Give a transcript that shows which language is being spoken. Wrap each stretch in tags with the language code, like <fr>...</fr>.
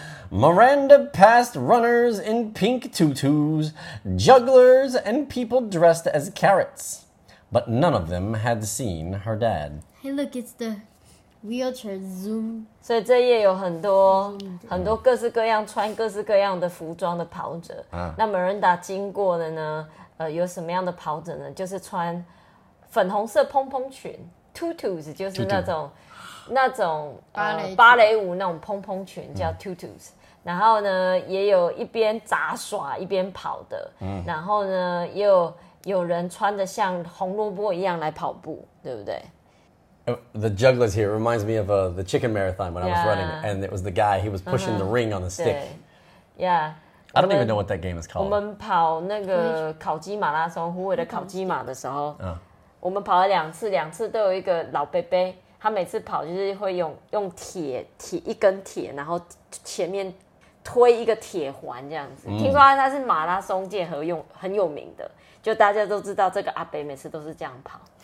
<en>Miranda passed runners in pink tutus, jugglers, and people dressed as carrots, but none of them had seen her dad. Hey, look, it's the wheelchair zoom.</en> <zh>所以这页有很多很多各式各样穿各式各样的服装的跑者。那 Miranda 经过的呢？有什么样的跑者呢？就是穿粉红色蓬蓬裙 ，tutus 就是那种芭蕾舞那种蓬蓬裙叫 tutus。然后呢，也有一边杂耍一边跑的。然后呢，也有人穿的像红萝卜一样来跑步，对不对？</zh> <en>The jugglers here reminds me of the chicken marathon when I was running, and it was the guy, he was pushing the ring on the stick. Yeah. I don't even know what that game is called.</en> <zh>我们跑那个烤鸡马拉松，湖尾的烤鸡马的时候，我们跑了两次，两次都有一个老伯伯，他每次跑就是会用铁一根铁，然后前面推一个铁环这样子。听说他是马拉松界很有名的，就大家都知道这个阿伯每次都是这样跑。</zh>